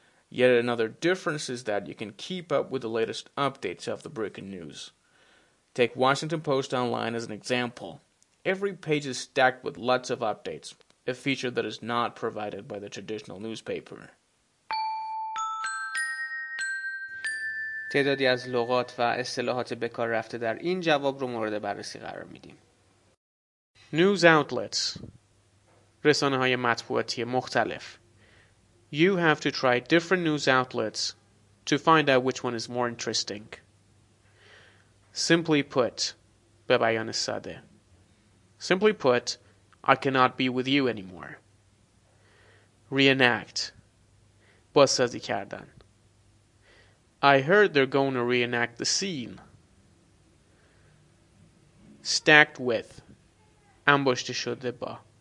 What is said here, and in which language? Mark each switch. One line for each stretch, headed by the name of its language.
English: Yet another difference is that you can keep up with the latest updates of the breaking news. Take Washington Post Online as an example. Every page is stacked with lots of updates, a feature that is not provided by the traditional newspaper.
Persian: تعدادی از لغات و اصطلاحات بکار رفته در این جواب رو مورد بررسی قرار میدیم.
English: News outlets.
Persian: رسانه‌های مطبوعاتی مختلف.
English: You have to try different news outlets to find out which one is more interesting. Simply put,
Persian: به بیان ساده.
English: Simply put, I cannot be with you anymore. Reenact.
Persian: بازسازی کردن.
English: I heard they're going to reenact the scene. Stacked with.
Persian: انباشته شده با.